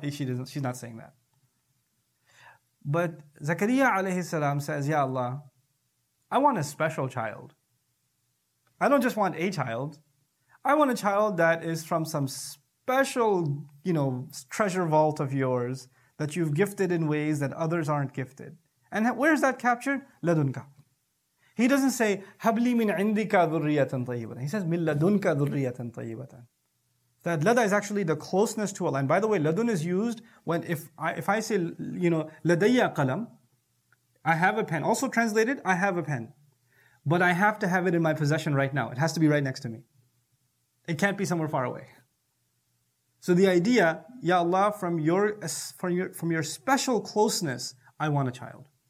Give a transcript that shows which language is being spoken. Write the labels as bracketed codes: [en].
[en] She's not saying that. But Zakariya alayhi salam says, Ya Allah, I want a special child. I don't just want a child. I want a child that is from some special, you know, treasure vault of yours that you've gifted in ways that others aren't gifted. And where is that captured? [ar] لَدُنْكَ. [en] He doesn't say, [ar] هَبْلِي مِنْ عِنْدِكَ ذُرِّيَّةً طَيِّبَةً. [en] He says, [ar] مِنْ لَدُنْكَ ذُرِّيَّةً طَيِّبَةً. [en] That لَدَ is actually the closeness to Allah. And by the way, لَدُن is used when if I say, you know, [ar] لَدَيَّ قَلَم, [en] I have a pen. Also translated, I have a pen. But I have to have it in my possession right now. It has to be right next to me. It can't be somewhere far away. So the idea, Ya Allah, from your special closeness, I want a child.